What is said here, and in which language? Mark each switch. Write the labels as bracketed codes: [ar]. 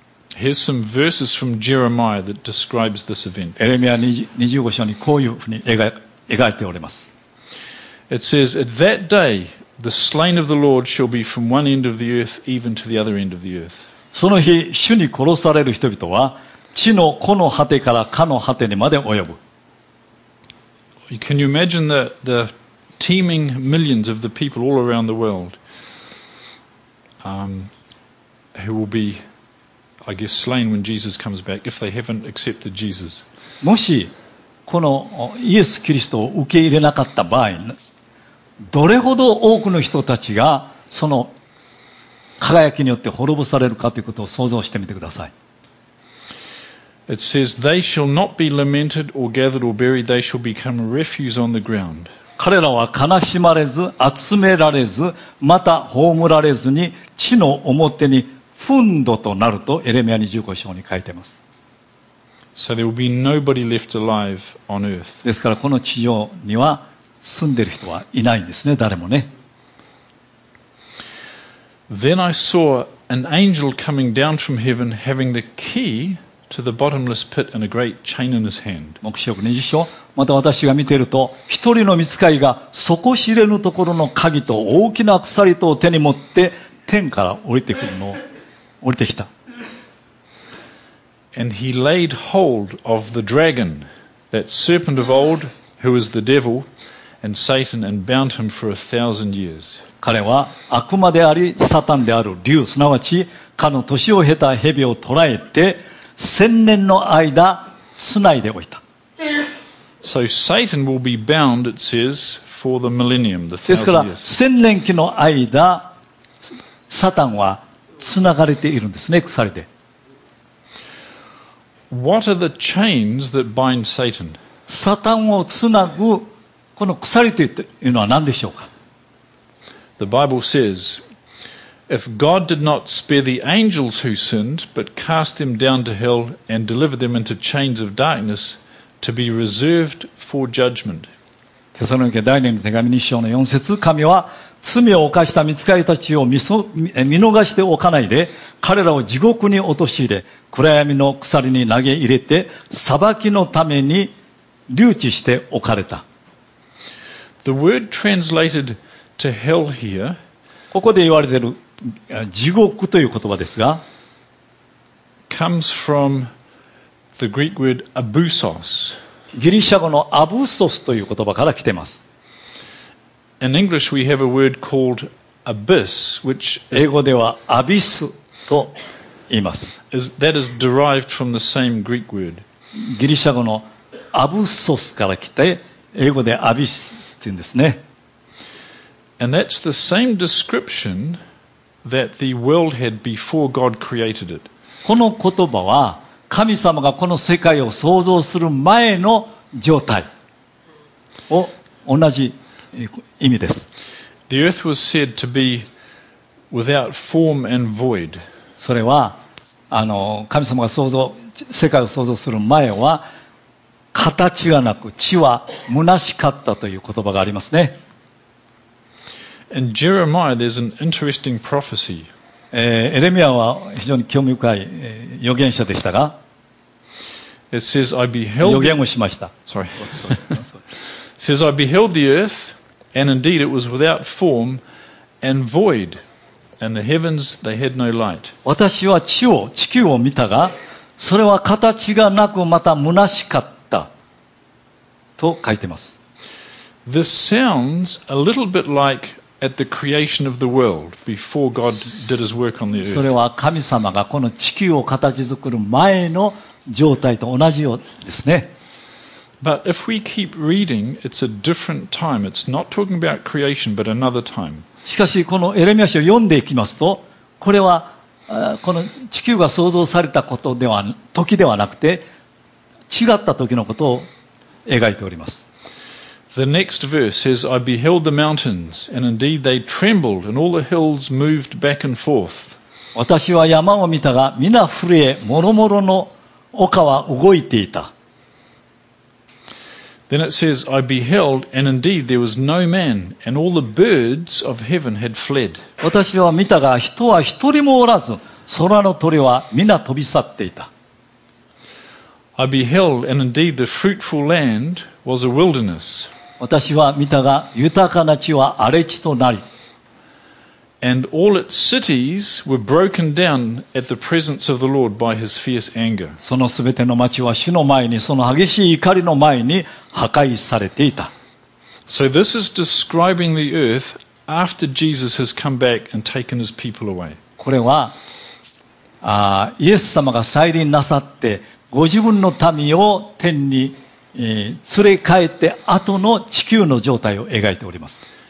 [en] Here's some verses from Jeremiah that describes this event. [ja] エレミア25章にこういうふうに描いております。 [en] It says, at that day, the slain of the Lord shall be from one end of the earth even to the other end of the earth. [ja] その日、主に殺される人々は地のこの果てからかの果てにまで及ぶ。 [en] Can you imagine the teeming millions of the people all around the world, who will be, I guess, slain when Jesus comes back if they haven't accepted Jesus? [ja] もしこのイエス・キリストを受け入れなかった場合、どれほど多くの人たちがその輝きによって滅ぼされるかということを想像してみてください。 [en] It says, they shall not be lamented or gathered or buried, they shall become refuse on the ground. [ja] 彼らは悲しまれず、集められず、また葬られずに、地の表に糞土となるとエレミア25章に書いています。 [en] So there will be nobody left alive on earth. [ja] ですからこの地上には住んでいる人はいないんですね、誰もね。 [en] Then I saw an angel coming down from heaven having the key. To the bottomless pit and a great chain in his hand. [ja] 黙示録20章、また私が見ていると一人の御使いが底知れぬところの鍵と大きな鎖とを手に持って天から降りてくるのを降りてきた。 [en] And he laid hold of the dragon, that serpent of old, who is the devil and Satan, and bound him for 1,000 years. [ja] 彼は悪魔でありサタンである竜、すなわちかの年を経た蛇を捕らえて千年の間繋いでおいた。 [en] So Satan will be bound, it says, for the millennium, the thousand years. [ja] ですから千年期の間サタンは繋がれているんですね、鎖で。 [en] What are the chains that bind Satan? [ja] サタンをつなぐこの鎖というのは何でしょうか。 [en] The Bible says,If God did not spare the angels who sinned, but cast them down to hell and delivered them into chains of darkness to be reserved for judgment. [ja] テサロニケ第2の手紙2章の4節、神は罪を犯した御使いたちを見逃しておかないで、彼らを地獄に落とし入れ、暗闇の鎖に投げ入れて、裁きのために留置しておかれた。 [en] The word translated to hell here, [ja] ここで言われている地獄という言葉ですが、 [en] comes from the Greek word abusos. [ja] ギリシャ語のアブソスという言葉から来ています。 [en] In English we have a word called abyss, which [ja] 英語ではアビスと言います。 [en] That is derived from the same Greek word. [ja] ギリシャ語のアブソスから来て、英語でアビスっていうんですね。 [en] And that's the same description that the world had before God created it. [ja] この言葉は神様がこの世界を創造する前の状態を同じ意味です。 [en] The earth was said to be without form and void. [ja] それは神様が世界を創造する前は形がなく地は虚しかったという言葉がありますね。 [en] In Jeremiah, there's an interesting prophecy. [ja] エレミアは非常に興味深い預言者でしたが、 [en] It says, I beheld [ja] 預言をしました。 [en] Sorry. Says, I beheld the earth, and indeed it was without form and void, and the heavens, they had no light. [ja] 私は地球を見たが、それは形がなくまた虚しかったと書いてます。 [en] This sounds a little bit like At the creation of the world, before God did His work on the earth. [ja] それは神様がこの地球を形作る前の状態と同じようですね。 [en] But if we keep reading, it's a different time. It's not talking about creation, but another time. [ja] しかしこのエレミア書を読んでいきますと、これはこの地球が創造されたことでは時ではなくて、違った時のことを描いております。 [en] The next verse says, I beheld the mountains, and indeed they trembled, and all the hills moved back and forth. [ja] 私は山を見たが、皆震え、もろもろの丘は動いていた。 [en] Then it says, I beheld, and indeed there was no man, and all the birds of heaven had fled. [ja] 私は見たが、人は一人もおらず、空の鳥は皆飛び去っていた。 [en] I beheld, and indeed the fruitful land was a wilderness. [ja] 私は見たが、豊かな地は荒れ地となり。 [en] And all its cities were broken down at the presence of the Lord by his fierce anger. [ja] そのすべての町は主の前に、その激しい怒りの前に破壊されていた。 [en] So this is describing the earth after Jesus has come back and taken his people away. [ja] これは、イエス様が再臨なさって、ご自分の民を天に、連れ帰って後の地球の状態を描いております。